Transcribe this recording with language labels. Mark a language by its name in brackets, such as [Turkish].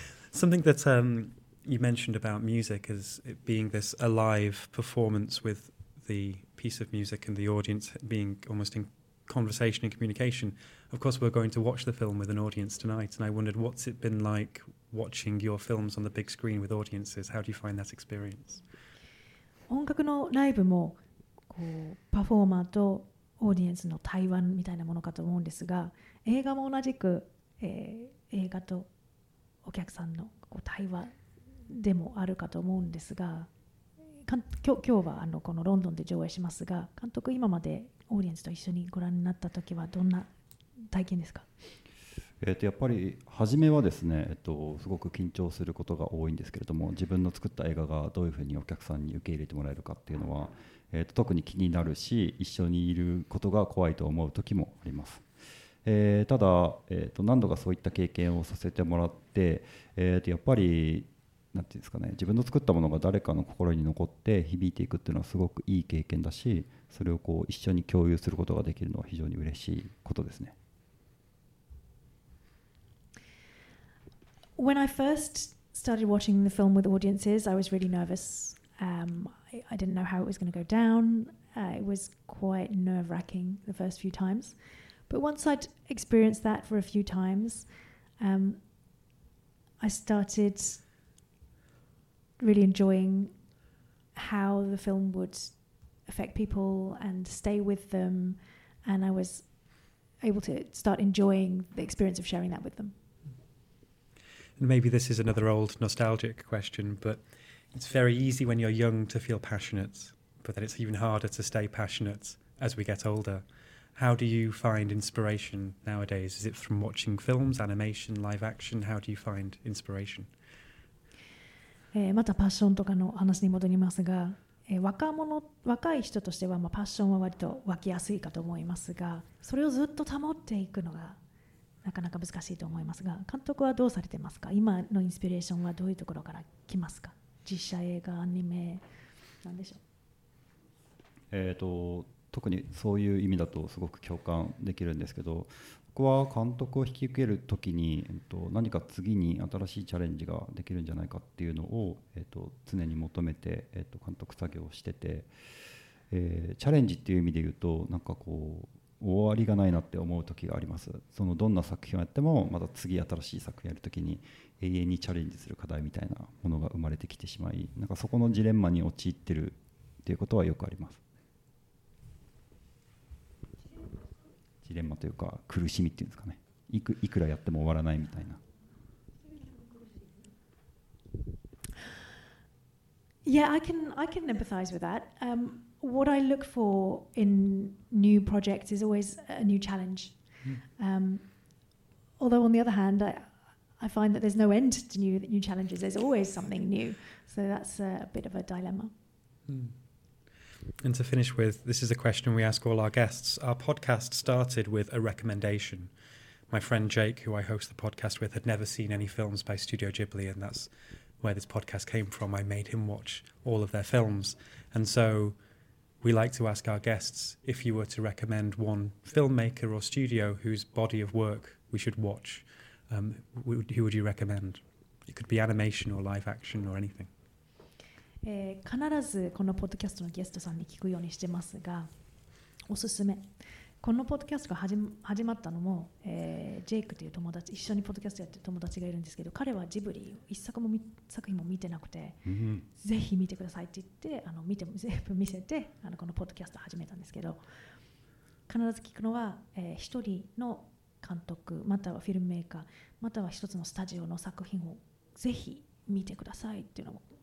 [English] Something that you mentioned about music is it being this alive performance with the piece of music and the audience being almost in conversation and communication. Of course, we're going to watch the film with an audience tonight, and I wondered what's it been like watching your films on the big screen with audiences. How do you find that experience? [Japanese] 音楽のライブもこうパフォーマーとオーディエンスの対話みたいなものかと思うんですが、映画も同じく、映画とお客さんのこう対話でもあるかと思うんですが、今日はあのこのロンドンで上映しますが、監督今までオーディエンスと一緒にご覧になった時はどんな体験ですか？やっぱり初めはですね、すごく緊張することが多いんですけれども、自分の作った映画がどういうふうにお客さんに受け入れてもらえるかっていうのは、特に気になるし、一緒にいることが怖いと思う時もあります。ただ、何度かそういった経験をさせてもらって、やっぱりなんていうんですかね、自分の作ったものが誰かの心に残って響いていくっていうのはすごくいい経験だし、それをこう一緒に共有することができるのは非常に嬉しいことですね。 [English] When I first started watching the film with audiences, I was really nervous. I didn't know how it was going to go down. It was quite nerve-wracking the first few times. But once I'd experienced that for a few times, I started really enjoying how the film would affect people and stay with them. And I was able to start enjoying the experience of sharing that with them. And maybe this is another old nostalgic question, but it's very easy when you're young to feel passionate, but then it's even harder to stay passionate as we get older. How do you find inspiration nowadays? Is it from watching films, animation, live action? How do you find inspiration? [Japanese] またパッションとかの話に戻りますが、若い人としては、まあ、パッションは割と湧きやすいかと思いますが、それをずっと保っていくのがなかなか難しいと思いますが、監督はどうされてますか？今のインスピレーションはどういうところから来ますか？実写映画、アニメ、何でしょう？特にそういう意味だとすごく共感できるんですけど、僕は監督を引き受けるときに、何か次に新しいチャレンジができるんじゃないかっていうのを、常に求めて、監督作業をしてて、チャレンジっていう意味で言うと、なんかこう終わりがないなって思う時があります。そのどんな作品をやってもまた次新しい作品やるときに永遠にチャレンジする課題みたいなものが生まれてきてしまい、なんかそこのジレンマに陥ってるっていうことはよくあります。ジレンマというか苦しみっていうんですかね、いくらやっても終わらないみたいな。 [English] Yeah, I can empathize with that. What I look for in new projects is always a new challenge. Although on the other hand, I, I find that there's no end to new challenges. There's always something new. So that's a bit of a dilemma. And to finish with, this is a question we ask all our guests. Our podcast started with a recommendation. My friend Jake, who I host the podcast with, had never seen any films by Studio Ghibli, and that's where this podcast came from. I made him watch all of their films. And so we like to ask our guests, if you were to recommend one filmmaker or studio whose body of work we should watch, who would you recommend? It could be animation or live action or anything. [Japanese] 必ずこのポッドキャストのゲストさんに聞くようにしてますが、おすすめ。このポッドキャストが始まったのも、ジェイクという友達、一緒にポッドキャストやってる友達がいるんですけど、彼はジブリ一作も作品も見てなくて、ぜひ見てくださいって言って、見ても全部見せて、このポッドキャスト始めたんですけど、必ず聞くのは、一人の監督、またはフィルムメーカー、または一つのスタジオの作品をぜひ見てくださいっていうのも。